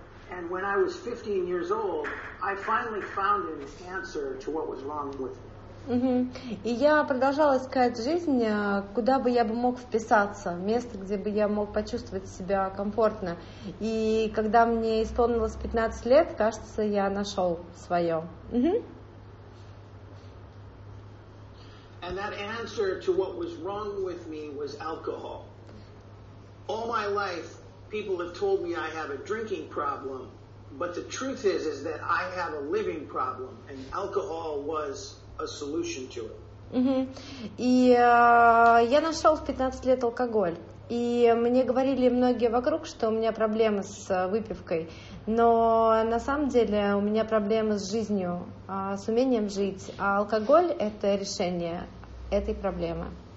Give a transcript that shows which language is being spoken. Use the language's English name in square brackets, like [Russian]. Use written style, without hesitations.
[English] And when I was 15 years old, I finally found an answer to what was wrong with me. [Russian] И я продолжала искать жизнь, куда бы я бы мог вписаться, место, где бы я мог почувствовать себя комфортно. И когда мне исполнилось 15 лет, кажется, я нашел свое. [English] And that answer to what was wrong with me was alcohol. All my life, people have told me I have a drinking problem, but the truth is that I have a living problem, and alcohol was a solution to it. [Russian] И я нашел в 15 лет алкоголь. И мне говорили многие вокруг, что у меня проблемы с выпивкой. Но на самом деле у меня проблемы с жизнью, с умением жить. А алкоголь – это решение этой проблемы.